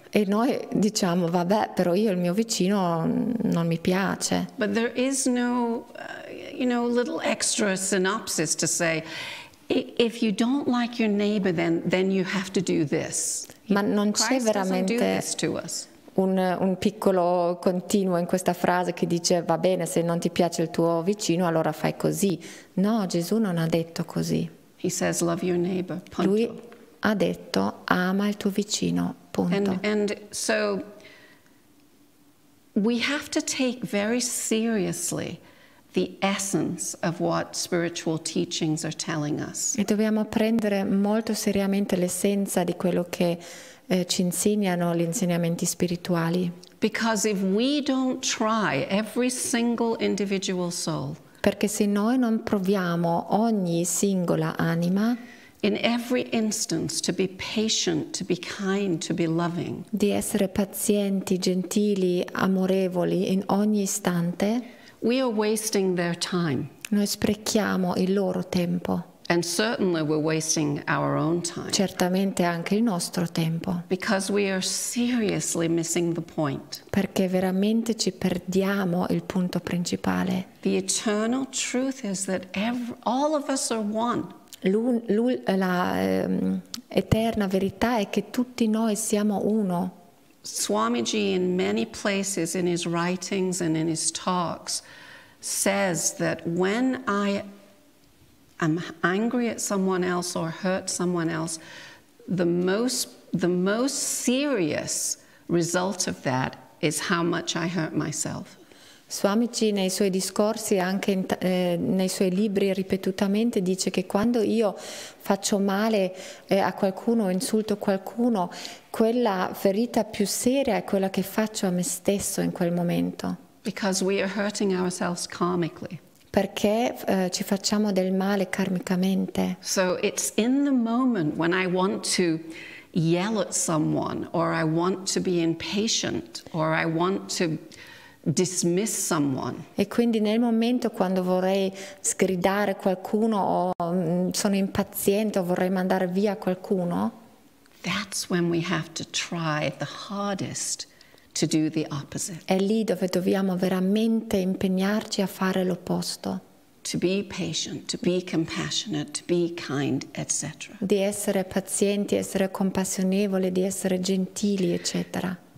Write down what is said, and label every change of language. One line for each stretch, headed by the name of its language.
Italian: E noi diciamo vabbè, però io il mio vicino non mi piace.
English: But there is no little extra synopsis to say if you don't like your neighbor then you have to do this.
Italian: Ma non c'è veramente un piccolo continuo in questa frase che dice va bene se non ti piace il tuo vicino allora fai così. No, Gesù non ha detto così.
English: He says, love your neighbor, punto.
Italian: Lui ha detto ama il tuo vicino, punto.
English: And so we have to take very seriously the essence of what spiritual teachings are telling us.
Italian: E dobbiamo prendere molto seriamente l'essenza di quello che ci insegnano gli insegnamenti spirituali.
English: Because if we don't try every single individual soul.
Italian: Perché se noi non proviamo ogni singola anima
English: in every instance to be patient, to be kind, to be loving.
Italian: Di essere pazienti, gentili, amorevoli in ogni istante.
English: We are wasting their time.
Italian: Noi sprechiamo il loro tempo.
English: And certainly we're wasting our own time.
Italian: Certamente anche il nostro tempo.
English: Because we are seriously missing the point.
Italian: Perché veramente ci perdiamo il punto principale.
English: The eternal truth is that all of us are one.
Italian: La eterna verità è che tutti noi siamo uno.
English: Swamiji in many places in his writings and in his talks says that when I am angry at someone else or hurt someone else, the most serious result of that is how much I hurt myself.
Italian: Swamiji nei suoi discorsi anche nei suoi libri ripetutamente dice che quando io faccio male a qualcuno o insulto qualcuno, quella ferita più seria è quella che faccio a me stesso in quel momento.
English: Because we are hurting ourselves karmically.
Italian: Perché ci facciamo del male karmicamente.
English: So it's in the moment when I want to yell at someone or I want to be impatient or I want to dismiss someone.
Italian: E quindi nel momento quando vorrei sgridare qualcuno o sono impaziente o vorrei mandare via qualcuno,
English: that's when we have to try the hardest to do the opposite.
Italian: È lì dove dobbiamo veramente impegnarci a fare l'opposto.
English: To be patient, to be compassionate, to be kind, etc.
Italian: Di essere pazienti, essere compassionevoli, di essere gentili, eccetera.